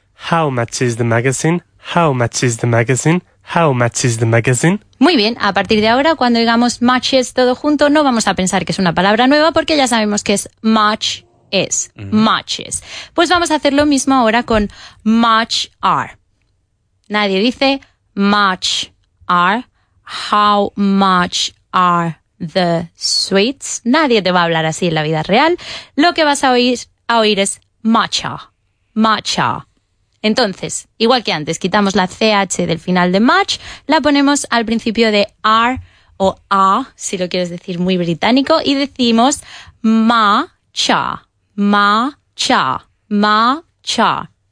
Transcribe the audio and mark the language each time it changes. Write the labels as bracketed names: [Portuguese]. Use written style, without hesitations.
[English] How much is the magazine? How much is the magazine? How much is the magazine? [Spanish] Muy bien. A partir de ahora, cuando digamos [English] much is [Spanish] todo junto, no vamos a pensar que es una palabra nueva porque ya sabemos que es much is. Mm-hmm. Much is. Pues vamos a hacer lo mismo ahora con [English] much are. [Spanish] Nadie dice [English] much are, how much are the sweets. [Spanish] Nadie te va a hablar así en la vida real. Lo que vas a oír es matcha, matcha. Entonces, igual que antes, quitamos la ch del final de much, la ponemos al principio de are o a, si lo quieres decir muy británico, y decimos matcha, matcha, matcha.